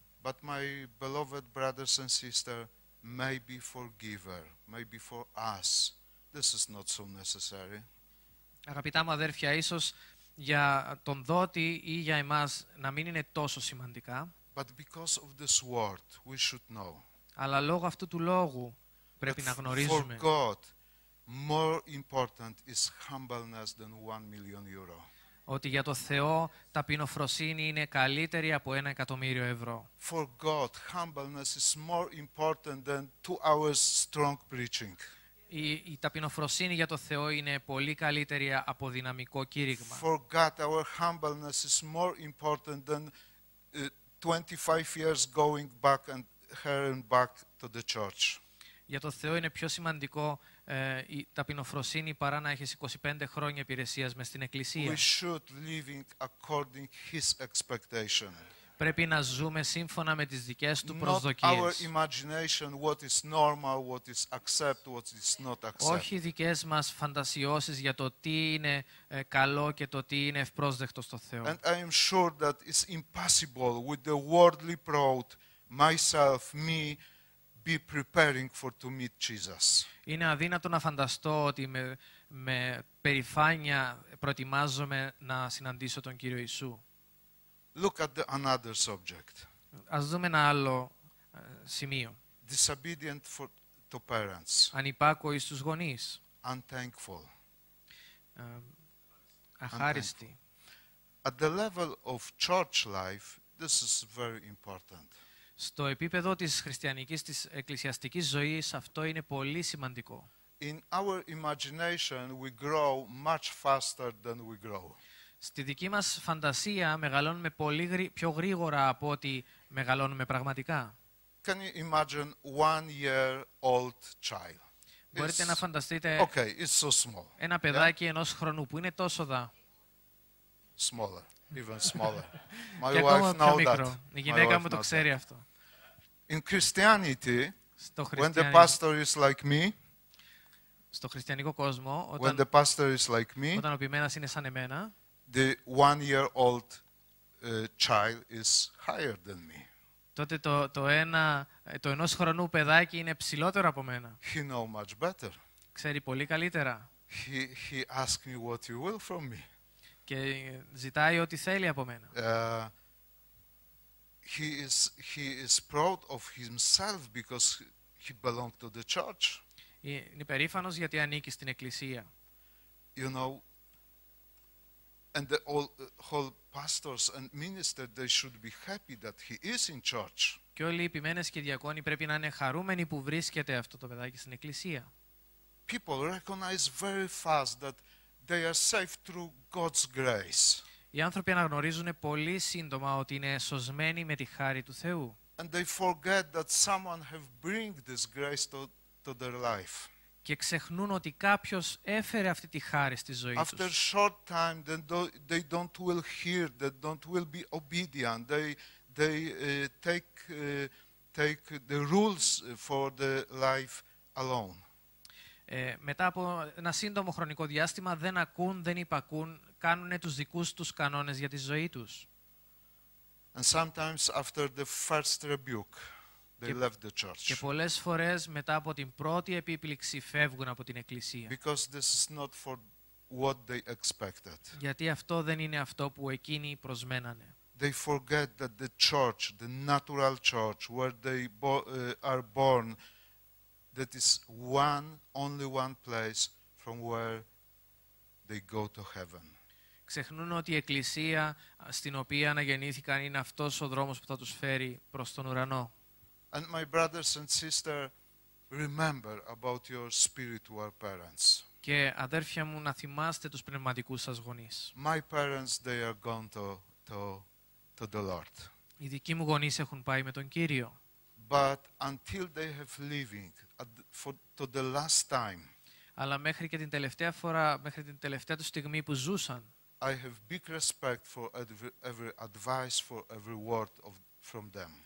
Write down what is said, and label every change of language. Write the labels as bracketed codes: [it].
[en] But my beloved brothers and sisters, maybe for giver, maybe for us, this is not so necessary. [el] Αγαπητά μου αδέρφια, ίσως για τον δότη ή για εμάς να μην είναι τόσο σημαντικά. [en] But because of this word, we should know. [el] Αλλά λόγω αυτού του λόγου πρέπει να γνωρίζουμε. [en] For God, more important is humbleness than 1 million euro. [el] Ότι για το Θεό ταπεινοφροσύνη είναι καλύτερη από 1 εκατομμύριο ευρώ. [en] For God, humbleness is more important than 2 hours strong preaching. [el] Η ταπεινοφροσύνη για το Θεό είναι πολύ καλύτερη από δυναμικό κήρυγμα. [en] For God, our humbleness is more important than 25 years going back and here and back to the church. [el] Για το Θεό είναι πιο σημαντικό η ταπεινοφροσύνη παρά να έχεις 25 χρόνια υπηρεσίας μες στην Εκκλησία. [en] We should live according his expectation. [el] Πρέπει να ζούμε σύμφωνα με τις δικές του προσδοκίες. [en] Not our imagination, what is normal, what is accept, what is not accept. [el] Όχι δικές μας φαντασιώσεις για το τι είναι καλό και το τι είναι ευπρόσδεκτο στο Θεό. [en] And I am sure that it's impossible with the worldly proud, myself, me, be preparing for to meet Jesus. [el] Είναι αδύνατο να φανταστώ ότι με περηφάνεια προετοιμάζομαι να συναντήσω τον Κύριο Ιησού. [en] Look at the another subject. [el] Ας δούμε ένα άλλο σημείο. [en] Disobedient for to parents. [el] Ανυπάκοοι στους γονείς. [en] Unthankful. [el] Αχάριστοι. [en] At the level of church life, this is very important. [el] Στο επίπεδο της χριστιανικής, της εκκλησιαστικής ζωής, αυτό είναι πολύ σημαντικό. [en] In our imagination, we grow much faster than we grow. [el] Στη δική μας φαντασία, μεγαλώνουμε πολύ πιο γρήγορα από ότι μεγαλώνουμε πραγματικά. [en] Can you imagine 1-year-old child? [el] Μπορείτε να φανταστείτε [en] it's so small. [el] Ένα παιδάκι ενός χρονού που είναι τόσο δα. [en] Smaller. Even smaller. My wife knows that. [el] Η γυναίκα μου το ξέρει αυτό. [en] In Christianity, when the pastor is like me, [el] στο χριστιανικό κόσμο, όταν, [en] when the pastor is like me, [el] όταν ο ποιμένας είναι σαν εμένα, [en] the one-year-old child is higher than me. [el] Τότε το ενός χρονού παιδάκι είναι ψηλότερο από μένα. [en] He know much better. [el] Ξέρει πολύ καλύτερα. [en] He asks me what you will from me. [el] Και ζητάει ό,τι θέλει από μένα. [en] He is proud of himself because he belongs to the church. [el] Είναι περήφανος γιατί ανήκει στην εκκλησία. [en] You know, and the whole pastors and ministers, they should be happy that he is in church. [el] Και όλοι οι ποιμένες και οι διακόνοι πρέπει να είναι χαρούμενοι που βρίσκεται αυτό το παιδάκι στην εκκλησία. [en] People recognize very fast that they are saved through God's grace. [el] Οι άνθρωποι αναγνωρίζουν πολύ σύντομα ότι είναι σωσμένοι με τη χάρη του Θεού. [en] And they forget that someone have bring this grace to their life. [el] Και ξεχνούν ότι κάποιος έφερε αυτή τη χάρη στη ζωή τους. [en] After a short time, they don't will hear, they don't will be obedient. They take the rules for the life alone. [el] Μετά από ένα σύντομο χρονικό διάστημα, δεν ακούν, δεν υπακούν, κάνουν τους δικούς τους κανόνες για τη ζωή τους. [en] And sometimes after the first rebuke, they left the church. [el] Και πολλές φορές μετά από την πρώτη επίπληξη φεύγουν από την εκκλησία. [en] Because this is not for what they expected. [el] Γιατί αυτό δεν είναι αυτό που εκείνοι προσμένανε. [en] They forget that the church, the natural church where they are born, that is one, only one place from where they go to heaven. [el] Ξεχνούν ότι η εκκλησία στην οποία αναγεννήθηκαν είναι αυτός ο δρόμος που θα τους φέρει προς τον ουρανό. [en] And my brothers and sister, remember about your spiritual parents. [el] Και αδέρφια μου, να θυμάστε τους πνευματικούς σας γονείς. [en] My parents, they are gone to the Lord. [el] Οι δικοί μου γονείς έχουν πάει με τον Κύριο. [en] But until they have living to the last time. [el] Αλλά μέχρι και την τελευταία φορά, μέχρι την τελευταία του στιγμή που ζούσαν. [en] I have big respect for every advice, for every word from them.